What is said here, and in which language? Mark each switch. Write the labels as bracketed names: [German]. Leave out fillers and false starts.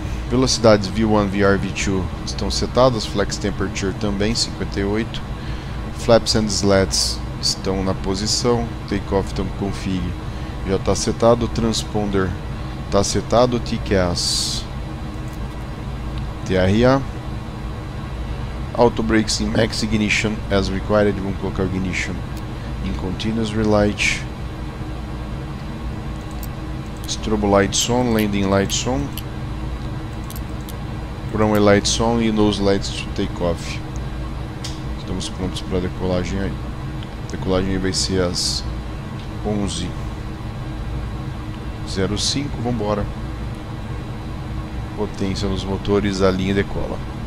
[Portuguese] Velocidades V1, VR, V2 estão setadas, flex temperature também, 58. Flaps and slats estão na posição, takeoff então config já está setado, transponder está setado, TCAS, TRA. [English] Auto brakes in max ignition as required, [Portuguese] vamos colocar [English] ignition in continuous relight. Strobo lights on, landing lights on. Runway lights on e nose lights to take off. [Portuguese] Estamos prontos para a decolagem aí. A decolagem aí vai ser às 11:05. Vamos embora. Potência nos motores, a linha decola.